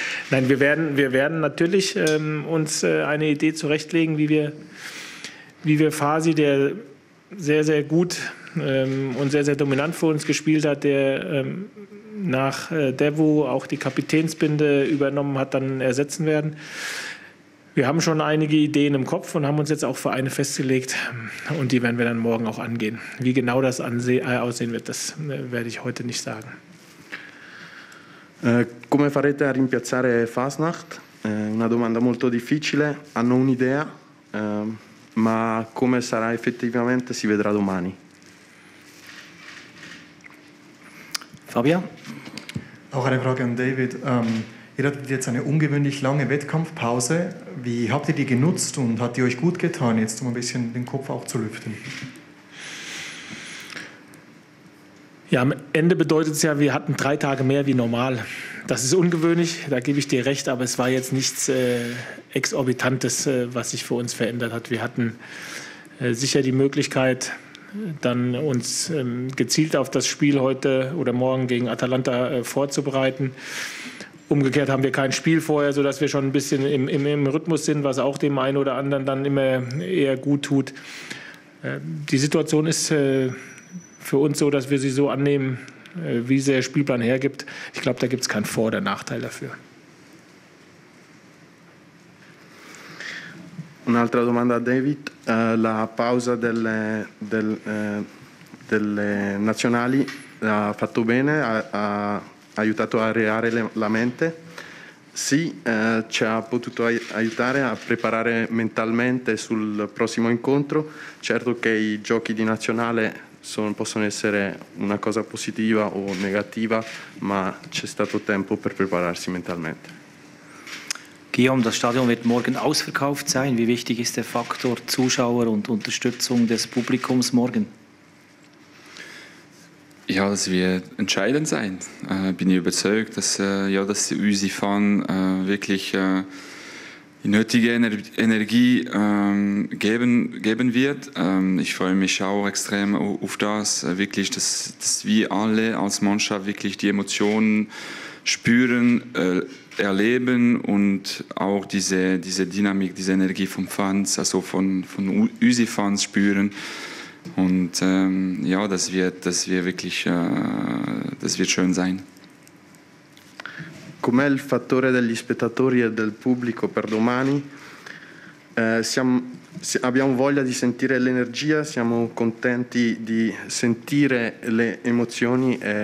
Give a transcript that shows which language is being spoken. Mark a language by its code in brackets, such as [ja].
[de] Nein, wir werden natürlich uns eine Idee zurechtlegen, wie wir Fasi, der sehr, sehr gut und sehr, sehr dominant für uns gespielt hat, der nach Devu auch die Kapitänsbinde übernommen hat, dann ersetzen werden. Wir haben schon einige Ideen im Kopf und haben uns jetzt auch für eine festgelegt. Und die werden wir dann morgen auch angehen. Wie genau das aussehen wird, das werde ich heute nicht sagen. [it] Come farete a rimpiazzare Fasnacht? Una domanda molto difficile. Hanno un'idea? Ma come sarà effettivamente si vedrà domani. Fabian? Auch eine Frage an David. Ihr hattet jetzt eine ungewöhnlich lange Wettkampfpause. Wie habt ihr die genutzt und hat die euch gut getan, jetzt um ein bisschen den Kopf auch zu lüften? Ja, am Ende bedeutet es ja, wir hatten 3 Tage mehr wie normal. Das ist ungewöhnlich, da gebe ich dir recht, aber es war jetzt nichts Exorbitantes, was sich für uns verändert hat. Wir hatten sicher die Möglichkeit, dann uns gezielt auf das Spiel heute oder morgen gegen Atalanta vorzubereiten. Umgekehrt haben wir kein Spiel vorher, sodass wir schon ein bisschen im Rhythmus sind, was auch dem einen oder anderen dann immer eher gut tut. Die Situation ist für uns so, dass wir sie so annehmen, wie sie der Spielplan hergibt. Ich glaube, da gibt es keinen Vor- oder Nachteil dafür. Un'altra domanda a David. La pausa delle nazionali ha fatto bene, ha aiutato a reare la mente? Sì, ci ha potuto aiutare a preparare mentalmente sul prossimo incontro. Certo che i giochi di nazionale possono essere una cosa positiva o negativa, ma c'è stato tempo per prepararsi mentalmente. [de] Guillaume, das Stadion wird morgen ausverkauft sein. Wie wichtig ist der Faktor Zuschauer und Unterstützung des Publikums morgen? Ja, das wird entscheidend sein. Bin ich überzeugt, dass unsere Fans wirklich die nötige Energie geben wird. Ich freue mich auch extrem auf das. Wirklich, dass wir alle als Mannschaft wirklich die Emotionen spüren, erleben und auch diese Dynamik, diese Energie vom Fans, also von unseren Fans spüren. Und ja, das wird schön sein. [it] Com'è il fattore degli spettatori e del pubblico per domani? Abbiamo voglia di sentire l'energia, siamo contenti di sentire le emozioni.